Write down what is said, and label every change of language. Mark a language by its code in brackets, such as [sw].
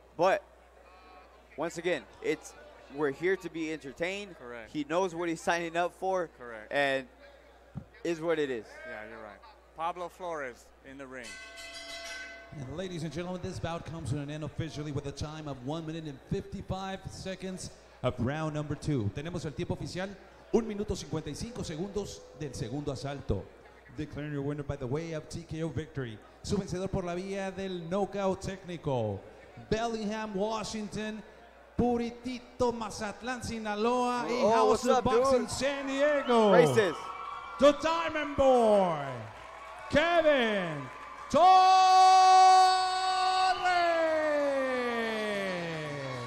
[en] But, once again, we're here to be entertained. Correct. He knows what he's signing up for. Correct. And is what it is. Yeah, you're right. Pablo Flores in the ring. And ladies and gentlemen, this bout comes to an end officially with a time of 1 minute and 55 seconds of round number 2. [es] Tenemos el tiempo oficial, 1 minuto 55 segundos del segundo asalto. [en] Declaring your winner by the way of TKO victory. [es] Su vencedor por la vía del knockout técnico. Bellingham, Washington. Puritito Mazatlán, Sinaloa, House of Boxing, [en] dude? San Diego. Races. The Diamond Boy, Kevin Torres.